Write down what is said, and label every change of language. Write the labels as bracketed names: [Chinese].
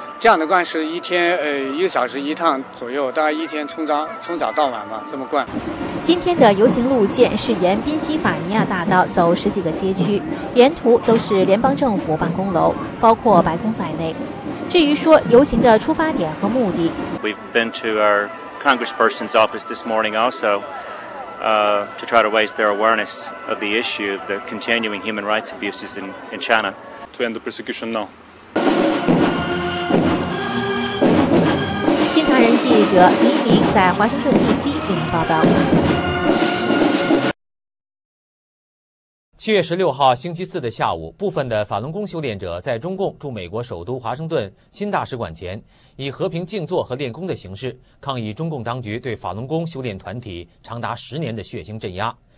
[Chinese] 这样的灌食一天1个小时1趟左右，大概一天从早到晚嘛，这么灌。今天的游行路线是沿宾夕法尼亚大道走10几个街区，沿途都是联邦政府办公楼，包括白宫在内。至于说游行的出发点和目的 [English] ，We've been to our congressperson's office this morning also, to try to raise their awareness of the issue of the continuing human rights abuses in China. To end the persecution now. [Chinese] 新唐人记者黎明在华盛顿 DC 为您报道。 7月16号星期四的下午，部分的法轮功修炼者在中共驻美国首都华盛顿新大使馆前，以和平静坐和练功的形式抗议中共当局对法轮功修炼团体长达10年的血腥镇压。